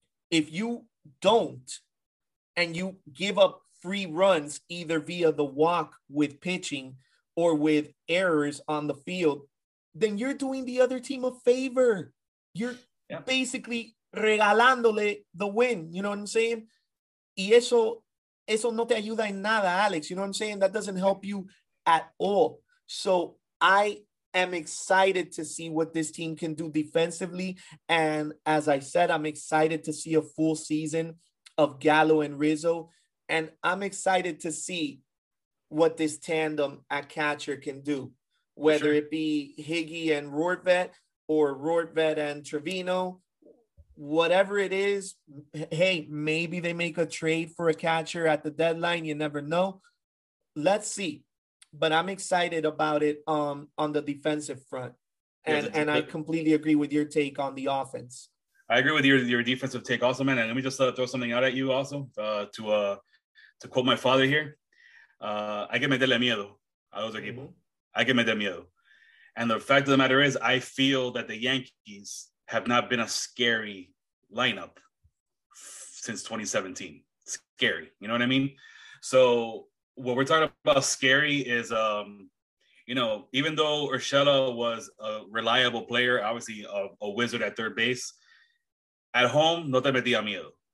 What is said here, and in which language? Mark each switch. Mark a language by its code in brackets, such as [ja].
[en] If you don't, and you give up free runs either via the walk with pitching or with errors on the field, then you're doing the other team a favor. You're basically regalándole the win. You know what I'm saying? [es] Y eso no te ayuda en nada, Alex. [en] You know what I'm saying? That doesn't help you at all. So I am excited to see what this team can do defensively. And as I said, I'm excited to see a full season of Gallo and Rizzo. And I'm excited to see what this tandem at catcher can do, whether it be Higgy and Rortvedt or Rortvedt and Trevino. Whatever it is, hey, maybe they make a trade for a catcher at the deadline. You never know. Let's see. But I'm excited about it on the defensive front. And I completely agree with your take on the offense. I agree with your defensive take also, man. And let me just throw something out at you also to quote my father here. [es] Hay que meterle miedo a los equipos. Hay que meterle miedo. [en] And the fact of the matter is, I feel that the Yankees have not been a scary lineup since 2017. Scary, you know what I mean? So what we're talking about scary is, you know, even though Urshela was a reliable player, obviously a wizard at third base, at home, [es] no te metía miedo.